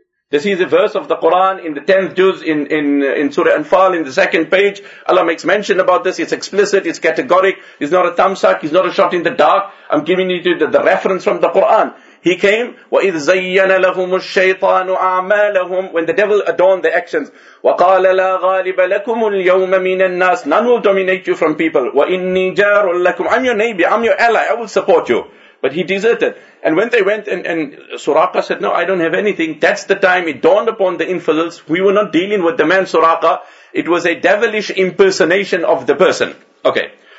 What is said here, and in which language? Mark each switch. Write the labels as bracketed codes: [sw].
[en] This is a verse of the Quran in the 10th juz in Surah Anfal, in the second page. Allah makes mention about this, it's explicit, it's categoric, it's not a thumbsuck, it's not a shot in the dark. I'm giving you the reference from the Quran. He came, [ar] وَإِذْ زَيَّنَ لَهُمُ الشَّيْطَانُ أَعْمَالَهُمْ, [en] when the devil adorned the actions. [ar] وَقَالَ لَا غَالِبَ لَكُمُ الْيَوْمَ مِنَ النَّاسِ, [en] none will dominate you from people. [ar] وَإِنِّي جَارٌ لَكُمْ, [en] I'm your neighbor, I'm your ally, I will support you. But he deserted. And when they went and Suraqa said, no, I don't have anything. That's the time it dawned upon the infidels. We were not dealing with the man Suraqa. It was a devilish impersonation of the person. Okay.